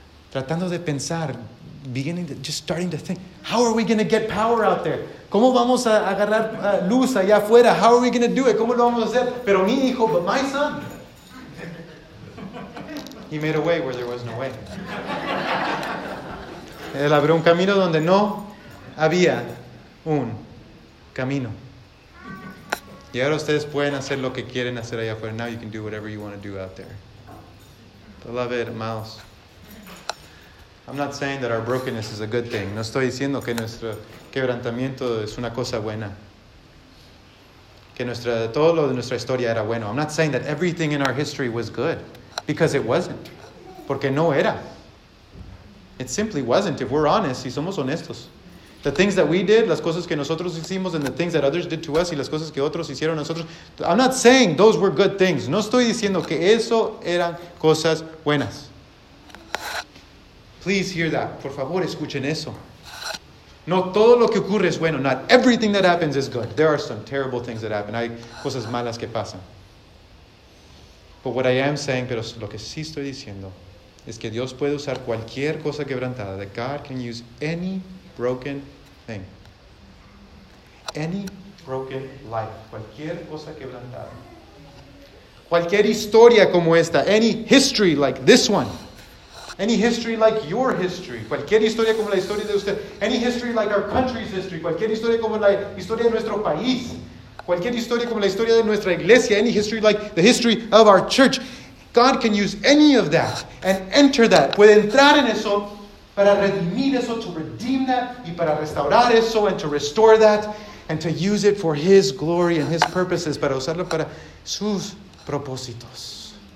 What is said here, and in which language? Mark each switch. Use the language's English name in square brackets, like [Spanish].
[Spanish] Tratando de pensar, [English] starting to think, how are we going to get power out there? [Spanish] ¿Cómo vamos a agarrar luz allá afuera? [English] How are we going to do it? [Spanish] ¿Cómo lo vamos a hacer? Pero mi hijo, [English] but my son. He made a way where there was no way. [Spanish] Él abrió un camino donde no había un camino. Y ahora ustedes pueden hacer lo que quieren hacer allá afuera. [English] Now you can do whatever you want to do out there. Beloved, amados. I'm not saying that our brokenness is a good thing. [Spanish] No estoy diciendo que nuestro quebrantamiento es una cosa buena. Que todo lo de nuestra historia era bueno. [English] I'm not saying that everything in our history was good. Because it wasn't. [Spanish] Porque no era. [English] It simply wasn't. If we're honest, [Spanish] si somos honestos. [English] The things that we did, [Spanish] las cosas que nosotros hicimos, [English] and the things that others did to us, [Spanish] y las cosas que otros hicieron a nosotros. [English] I'm not saying those were good things. [Spanish] No estoy diciendo que eso eran cosas buenas. [English] Please hear that. [Spanish] Por favor, escuchen eso. No todo lo que ocurre es bueno. [English] Not everything that happens is good. There are some terrible things that happen. [Spanish] Hay cosas malas que pasan. [English] But what I am saying, [Spanish] pero lo que sí estoy diciendo, es que Dios puede usar cualquier cosa quebrantada. [English] That God can use any broken thing. Any broken life. [Spanish] Cualquier cosa quebrantada. Cualquier historia como esta. [English] Any history like this one. Any history like your history. [Spanish] Cualquier historia como la historia de usted. [English] Any history like our country's history. [Spanish] Cualquier historia como la historia de nuestro país. Cualquier historia como la historia de nuestra iglesia. [English] Any history like the history of our church. God can use any of that and enter that. [Spanish] Puede entrar en eso. Para redimir eso, [English] to redeem that, [Spanish] y para restaurar eso, [English] and to restore that, and to use it for His glory and His purposes, [Spanish] para usarlo para sus propósitos.